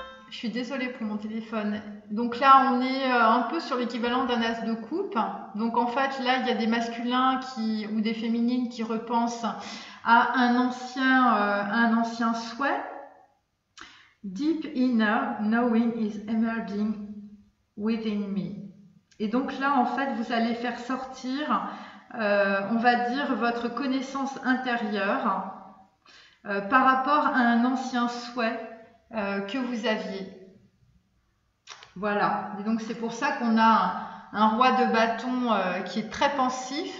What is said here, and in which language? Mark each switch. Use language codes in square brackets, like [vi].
[fr] Je suis désolée pour mon téléphone. Donc là, on est un peu sur l'équivalent d'un as de coupe. Donc en fait, là, il y a des masculins qui ou des féminines qui repensent à un ancien souhait. [en] Deep inner knowing is emerging within me. [fr] Et donc là, en fait, vous allez faire sortir, on va dire, votre connaissance intérieure. Par rapport à un ancien souhait que vous aviez. Voilà. Et donc c'est pour ça qu'on a un roi de bâton qui est très pensif.